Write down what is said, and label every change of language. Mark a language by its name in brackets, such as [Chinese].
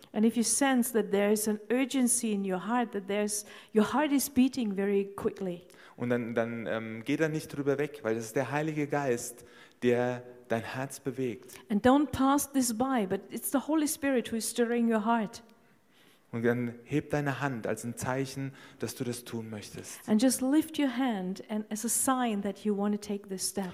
[English] And if you sense that there is an urgency in your heart, that there's your heart is beating very quickly. [German] Und dann geh da nicht drüber weg, weil das ist der Heilige Geist, der dein Herz bewegt. [English] And don't pass this by, but it's the Holy Spirit who is stirring your heart. [German] Und dann heb deine Hand als ein Zeichen, dass du das tun möchtest. [English] And just lift your hand and as a sign that you want to take this step.